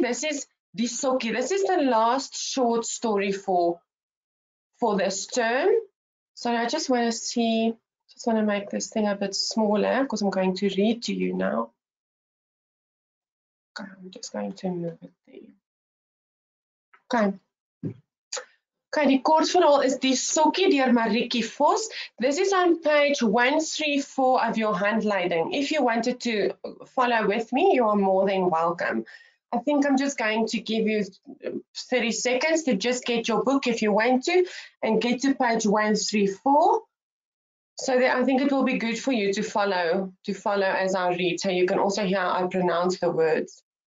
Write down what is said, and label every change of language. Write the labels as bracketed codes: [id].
[en] This is Die Sokkie. This is the last short story for this term. So I just want to make this thing a bit smaller because I'm going to read to you now. Okay, I'm just going to move it there. [af] Okay, die kort verhaal is Die Sokkie deur Maritjie Vos. [en] This is on page 134 of your handleiding. If you wanted to follow with me, you are more than welcome. I think I'm just going to give you 30 seconds to just get your book if you want to and get to page 134. So that I think it will be good for you to follow as I read, so you can also hear how I pronounce the words.